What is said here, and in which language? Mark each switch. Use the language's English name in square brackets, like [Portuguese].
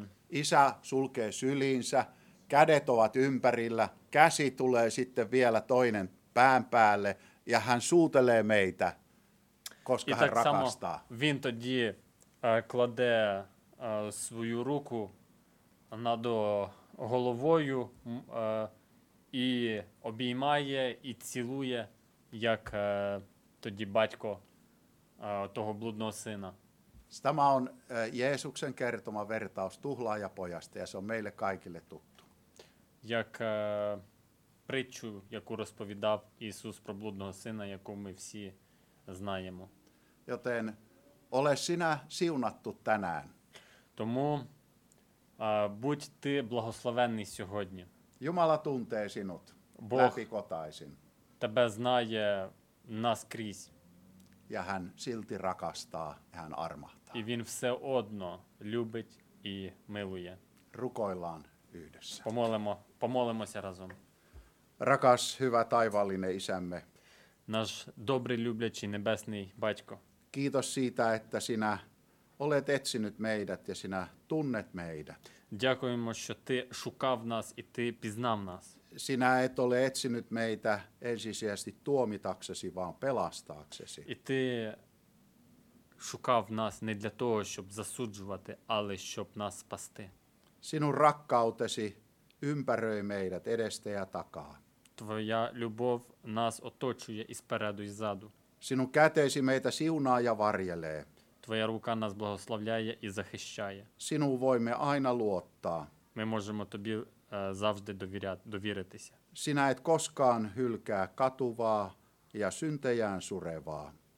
[Finnish] isä sulkee syliinsä, kädet ovat ympärillä, käsi tulee sitten vielä toinen pään päälle, ja hän suutelee meitä, koska hän rakastaa. [Ukrainian] Vin тоді кладе свою руку надо головою і обіймає, і цілує, як тоді батько того блудного сина. [Finnish] Tämä on Jeesuksen kertoma vertaus tuhlaajapojasta, ja se on meille kaikille tuttu. [Ukrainian] Як притчу, яку розповідав Ісус про блудного сина, яку ми всі знаємо. [Finnish] Joten ole sinä siunattu tänään. [Ukrainian] Тому будь ти благословенний сьогодні. [Finnish] Jumala tuntee sinut läpikotaisin. [Ukrainian] Тебе знає наскрізь. [Finnish] Ja hän silti rakastaa, hän armahtaa. [Ukrainian] І він все одно любить і милує. [Finnish] Rukoillaan yhdessä. [Ukrainian] Помолимося разом. [Finnish] Rakas, hyvä taivaallinen isämme. [Ukrainian] Наш добрий люблячий небесний батько. [Finnish] Kiitos siitä, että sinä olet etsinyt meidät ja sinä tunnet meidät. [Ukrainian] Дякуємо, що ти шукав нас і ти пізнав нас. [Finnish] Sinä et ole etsinyt meitä ensisijaisesti tuomitaksesi, vaan pelastaaksesi. [Ukrainian] І ти шукав нас не для того, щоб засуджувати, але щоб нас спасти. [Finnish] Sinun rakkautesi ympäröi meidät edestä ja takaa. [Ukrainian] Твоя любов нас оточує і спереду, і ззаду. [Finnish] Sinun käteesi meitä siunaa ja varjelee. [Ukrainian] Твоя рука нас благословляє і захищає. [Finnish] Sinuun voimme aina luottaa. [Ukrainian] Ми можемо тобі завжди довіритися. [Finnish] Sinä et koskaan hylkää katuvaa ja syntejään surevaa.